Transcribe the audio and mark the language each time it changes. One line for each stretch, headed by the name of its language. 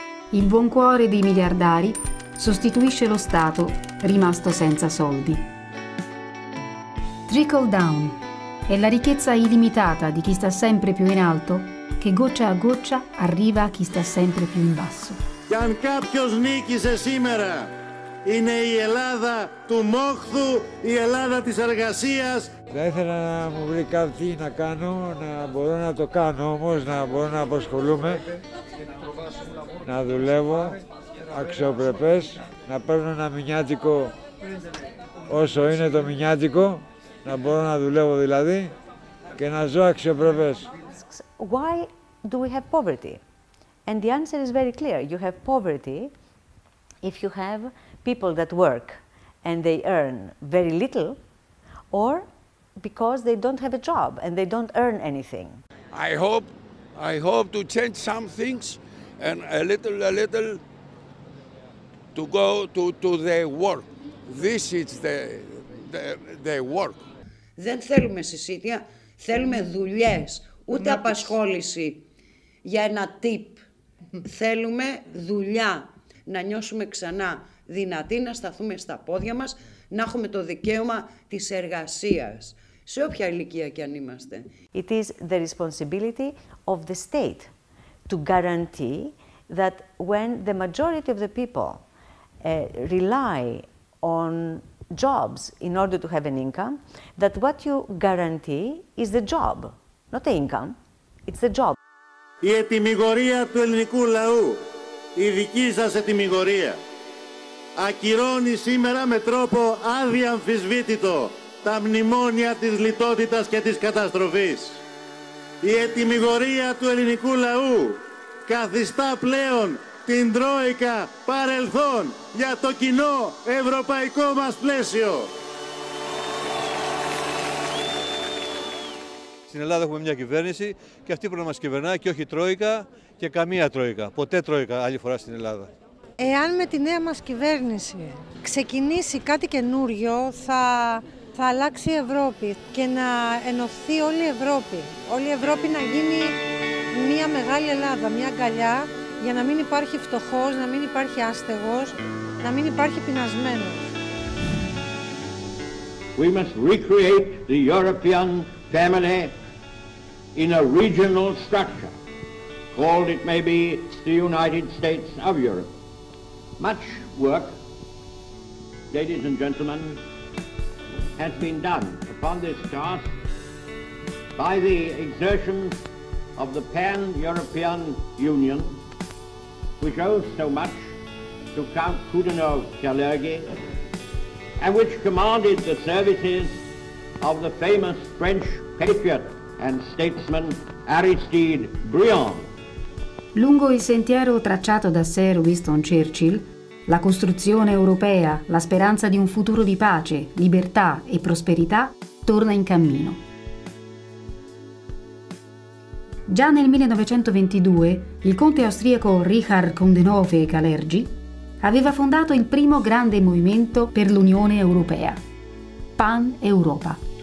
Italian: Il buon cuore dei miliardari sostituisce lo Stato rimasto senza soldi. Trickle down è la ricchezza illimitata di chi sta sempre più in alto che goccia a goccia arriva a chi sta sempre più in basso.
Greek: Και αν κάποιος νίκησε σήμερα, είναι η Ελλάδα του μόχθου, η Ελλάδα της εργασίας. Θα ήθελα να μου βρει κάτι να κάνω, να μπορώ να το κάνω όμως, να μπορώ να απασχολούμαι, να δουλεύω αξιοπρεπές, να παίρνω ένα μηνιάτικο όσο είναι το μηνιάτικο, να μπορώ να δουλεύω δηλαδή και να ζω αξιοπρεπές.
English: Why do we have poverty? And the answer is very clear. You have poverty if you have people that work and they earn very little, or because they don't have a job and they don't earn anything. I hope to change some things and a little to go to the work. This is the work.
Greek: Δεν θέλουμε συσίτια, θέλουμε δουλειές, ούτε απασχόληση για ένα tip. Θέλουμε δουλειά, να νιώσουμε ξανά δυνατοί, να σταθούμε στα πόδια μας, να έχουμε το δικαίωμα της εργασίας, σε όποια ηλικία και αν είμαστε.
English: It is the responsibility of the state to guarantee that when the majority of the people rely on jobs in order to have an income, that what you guarantee is the job, not the income, it's the job.
Greek: Η ετιμιγορία του ελληνικού λαού, η δική σας ετιμιγορία, ακυρώνει σήμερα με τρόπο αδιαμφισβήτητο τα μνημόνια της λιτότητας και της καταστροφής. Η ετιμιγορία του ελληνικού λαού καθιστά πλέον την τρόικα παρελθόν για το κοινό ευρωπαϊκό μας πλαίσιο. στην Ελλάδα έχουμε μια κυβέρνηση και αυτή πρέπει να μας κυβερνάει και όχι τρόικα και καμία τρόικα. Ποτέ τρόικα άλλη φορά στην Ελλάδα. Εάν με τη νέα μας κυβέρνηση ξεκινήσει κάτι καινούριο, θα αλλάξει η Ευρώπη και να ενωθεί όλη η Ευρώπη. Όλη η Ευρώπη να γίνει μια μεγάλη Ελλάδα, μια αγκαλιά, για να μην υπάρχει φτωχός, να μην υπάρχει άστεγος, να μην υπάρχει πεινασμένος.
English: We must recreate the European family in a regional structure, called it maybe the United States of Europe. Much work, ladies and gentlemen, has been done upon this task by the exertions of the Pan-European Union, which owes so much to Count Kudinov Kalergi, and which commanded the services of the famous French patriot and statesman Aristide Briand.
Italian: Lungo il sentiero tracciato da Sir Winston Churchill, la costruzione europea, la speranza di un futuro di pace, libertà e prosperità torna in cammino. Già nel 1922 il conte austriaco Richard Condenove Kalergi aveva fondato il primo grande movimento per l'Unione Europea, Pan Europa.